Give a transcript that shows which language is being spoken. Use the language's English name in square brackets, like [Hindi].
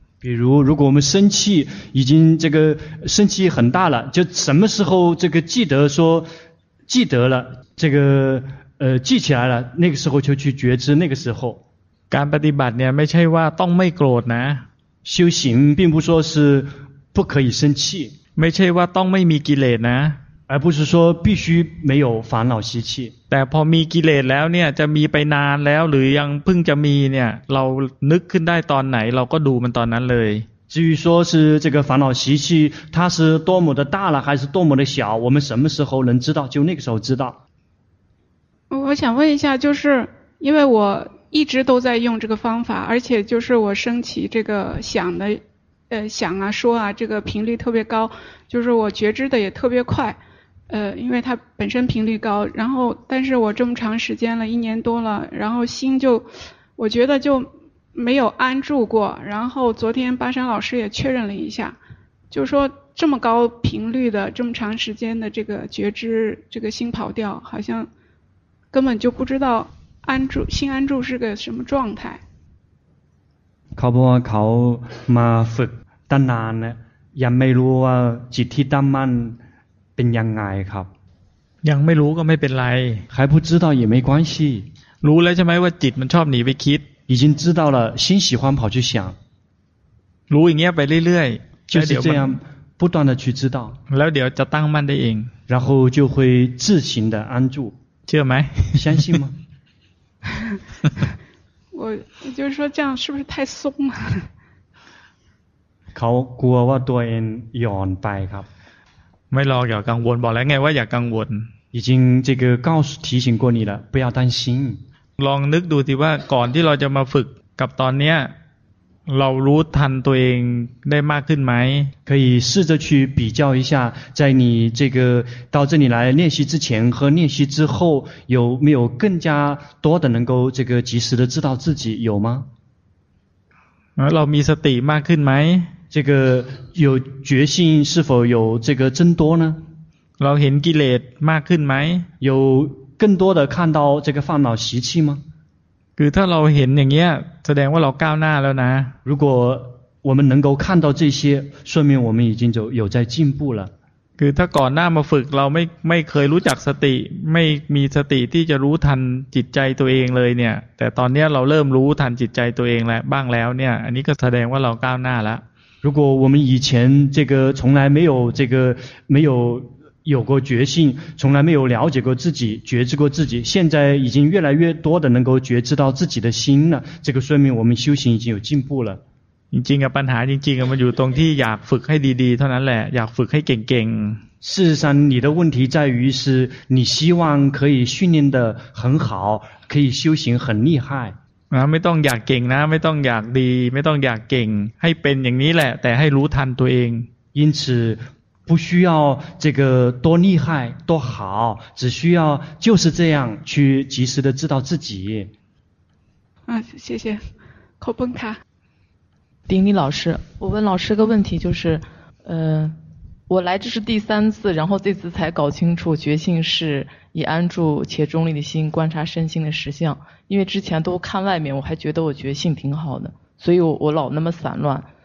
[Chinese] 比如如果我们生气已经这个生气很大了就什么时候这个记得说记得了这个记起来了那个时候就去觉知那个时候 [Thai] การปฏิบัติเนี่ยไม่ใช่ว่าต้องไม่โกรธนะ [Chinese] 修行并不说是不可以生气 [Thai] ไม่ใช่ว่าต้องไม่มีกิเลสนะ [Chinese] 而不是说必须没有烦恼习气 [Thai] แต่พอมีกิเลสแล้วเนี่ยจะมีไปนานแล้วหรือยังเพิ่งจะมีเนี่ยเรานึกขึ้นได้ตอนไหนเราก็ดูมันตอนนั้นเลย [Chinese] 至于说是这个烦恼习气它是多么的大了还是多么的小我们什么时候能知道就那个时候知道我想问一下就是因为我一直都在用这个方法而且就是我升起这个想的想啊说啊这个频率特别高就是我觉知的也特别快因为它本身频率高然后但是我这么长时间了一年多了然后心就我觉得就没有安住过然后昨天巴山老师也确认了一下就说这么高频率的这么长时间的这个觉知这个心跑掉好像根本就不知道安住心安住是个什么状态 [Thai] เขาบอกว่าเขามาฝึกตั้งนานแล้วยังไม่รู้ว่าจิตที่ตั้งมั่นเป็นยังไงครับ ยังไม่รู้ก็ไม่เป็นไร [Chinese] 还不知道也没关系 [Thai] รู้แล้วใช่ไหมว่าจิตมันชอบหนีไปคิด [Chinese] 已经知道了心喜欢跑去想 [Thai] รู้อย่างเงี้ยไปเรื่อยๆ [Chinese] 就是这样不断的去知道 [Thai] แล้วเดี๋ยวจะตั้งมั่นได้เอง [Chinese] 然后就会自行的安住 [Thai] เชื่อไหม [Chinese] 相信吗我就是说这样是不是太松了 [Thai] เขากลัวว่าตัวเองหย่อนไปครับ ไม่รอกอย่ากังวลบอกแล้วไงว่าอย่ากังวล [Chinese] 已经这个告诉提醒过你了，不要担心。 [Thai] ลองนึกดูที่ว่าก่อนที่เราจะมาฝึกกับตอนเนี้ยเรารู้ทันตัวเองได้มากขึ้นไหม [Chinese] 可以试着去比较一下，在你这个到这里来练习之前和练习之后，有没有更加多的能够这个及时的知道自己有吗？ [Thai] เรามีสติมากขึ้นไหม [Chinese] 这个有决心是否有这个增多呢？ [Thai] เราเห็นกิเลสมากขึ้นไหม [Chinese] 有更多的看到这个烦恼习气吗？ [Thai] คือถ้าเราเห็นอย่างเงี้ยแสดงว่าเราก้าวหน้าแล้วนะ [Chinese] 如果我们能够看到这些说明我们已经有在进步了 [Thai] คือถ้าก่อนหน้ามาฝึกเราไม่เคยรู้จักสติไม่มีสติที่จะรู้ทันจิตใจตัวเองเลยเนี่ยแต่ตอนเนี้ยเราเริ่มรู้ทันจิตใจตัวเองแล้วบ้างแล้วเนี่ยอันนี้ก็แสดงว่าเราก้าวหน้าแล้ว [Chinese] 如果我们以前这个从来没有这个没有有过觉性，从来没有了解过自己，觉知过自己，现在已经越来越多的能够觉知到自己的心了，这个说明我们修行已经有进步了。 [Thai] จริงๆ ปัญหา จริงๆ มันอยู่ตรงที่อยากฝึกให้ดีๆ เท่านั้นแหละ อยากฝึกให้เก่ง [Chinese] ๆ事实上你的问题在于是你希望可以训练得很好，可以修行很厉害。 [Thai] ไม่ต้องอยากเก่งนะ ไม่ต้องอยากดี ไม่ต้องอยากเก่ง ให้เป็นอย่างนี้แหละ แต่ให้รู้ทันตัวเอง [Chinese] 因此不需要这个多厉害多好，只需要就是这样去及时的知道自己。啊，谢谢，口崩卡。丁丽老师，我问老师个问题，就是，我来这是第三次，然后这次才搞清楚觉性是以安住且中立的心观察身心的实相，因为之前都看外面，我还觉得我觉性挺好的，所以我老那么散乱。